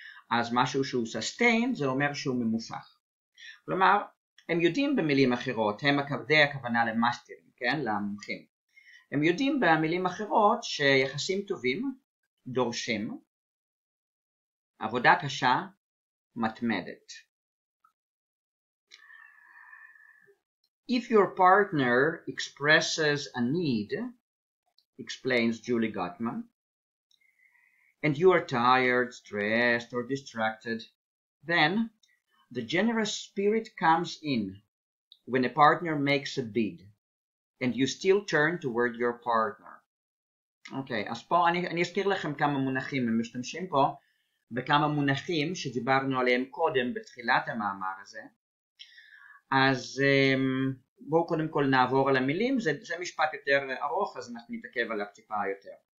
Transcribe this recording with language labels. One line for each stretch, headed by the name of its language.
Hebrew: אז משהו שהוא sustain זה אומר שהוא ממושך. כלומר, הם יודעים במילים אחרות, הם עקבדי הכוונה למאסטרים, כן? למומחים. הם יודעים במילים אחרות שיחסים טובים דורשים עבודה קשה מתמדת.
English: If your partner expresses a need, explains Julie Gottman, and you are tired, stressed, or distracted, then the generous spirit comes in when a partner makes a bid, and you still turn toward your partner.
Hebrew: Okay, אז פה אני אזכיר לכם כמה מונחים, הם משתמשים פה בכמה מונחים שדיברנו עליהם קודם בתחילת המאמר הזה. אז בואו קודם כל נעבור על המילים, זה משפט יותר ארוך, אז אנחנו נתעכב עליו טיפה יותר.